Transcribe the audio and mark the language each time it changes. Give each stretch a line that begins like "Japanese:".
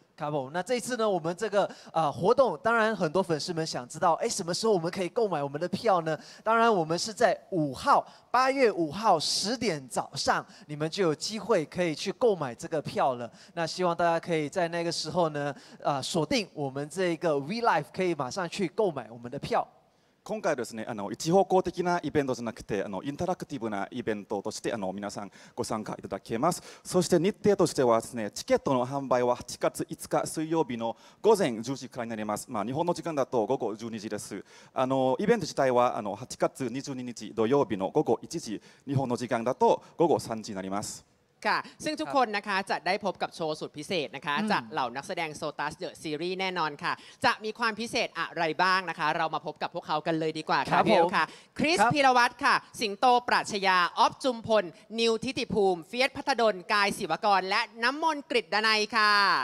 Chinese: ครับผม那这一次呢我们这个活动当然很多粉丝们想知道哎什么时候我们可以购买我们的票呢当然我们是在8月5号10点早上你们就有机会可以去购买这个票了那希望大家可以在那个时候呢锁定我们这个 VLIFE 可以马上去购买我们的票
Japanese: 今回ですね、一方向的なイベントじゃなくて、インタラクティブなイベントとして、皆さんご参加いただけます。そして日程としてはですね、チケットの販売は8月5日水曜日の午前10時からになります。まあ、日本の時間だと午後12時です。イベント自体は8月22日土曜日の午後1時、日本の時間だと午後3時になります。
Thai: ค่ะซึ่งทุกคนนะคะจะได้พบกับโชว์สุดพิเศษนะคะจากเหล่านักแสดงโซตัสเดอะซีรีส์แน่นอนค่ะจะมีความพิเศษอะไรบ้างนะคะเรามาพบกับพวกเขากันเลยดีกว่าค่ะพี่เอลค่ะคริสพีรวัตรค่ะสิงโตปรัชญาออฟจุมพลนิวทิติภูมิเฟียสพัฒดลกายศิวกรและน้ำมนต์กฤษดนัยค่ะ